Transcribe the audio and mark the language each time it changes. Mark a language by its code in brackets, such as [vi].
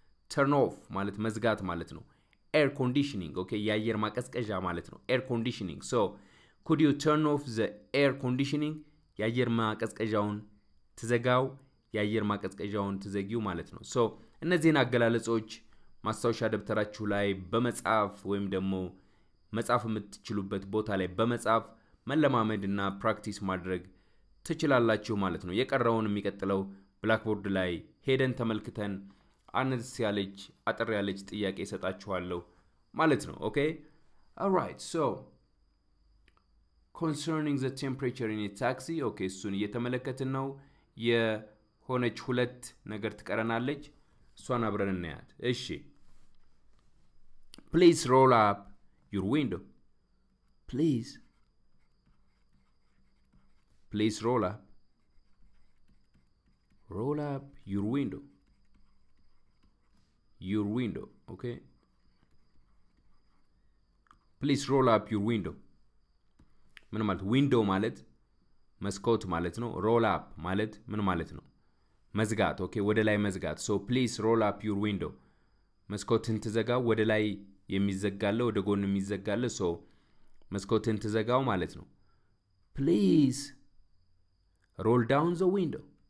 [am] Turn off ማለት መዝጋት ማለት ነው. Air conditioning, okay, የአየር ማቀዝቀዣ ማለት ነው. [en] Air conditioning. So, could you turn off the air conditioning? [am] የአየር ማቀዝቀዣውን ትዘጋው, የአየር ማቀዝቀዣውን ትዘጊው ማለት ነው. So, እነዚህን አገላለጾች ማስታወሻ ደብተራችሁ ላይ በመጻፍ ወይም ደግሞ መጻፍ የምትችሉበት ቦታ ላይ በመጻፍ መለማመድና ፕራክቲስ ማድረግ ትችላላችሁ ማለት ነው። የቀረውን የሚቀጥለው ብላክቦርድ ላይ ሄደን ተመልክተን አነስ ያለች አጥር ያለች ጥያቄ እሰጣችኋለሁ ማለት ነው። ኦኬ? [en] ኦራይት ሶ concerning the temperature in a taxi. [am] ኦኬ እሱን እየተመለከትን ነው። የሆነች ሁለት ነገር ትቀረናለች እሷን አብረን እናያት። እሺ [en] please roll up your window. Please roll up your window. Your window, okay? Please roll up your window. [am] ምን ማለት window ማለት መስኮት ማለት ነው። Roll up ማለት ምን ማለት ነው? መዝጋት. ኦኬ ወደ ላይ መዝጋት. [en] So please roll up your window. [am] መስኮትን ትዘጋው ወደ ላይ የሚዘጋለው ወደ ጎን የሚዘጋለው so መስኮትን ትዘጋው ማለት ነው. [en] Please roll down the window.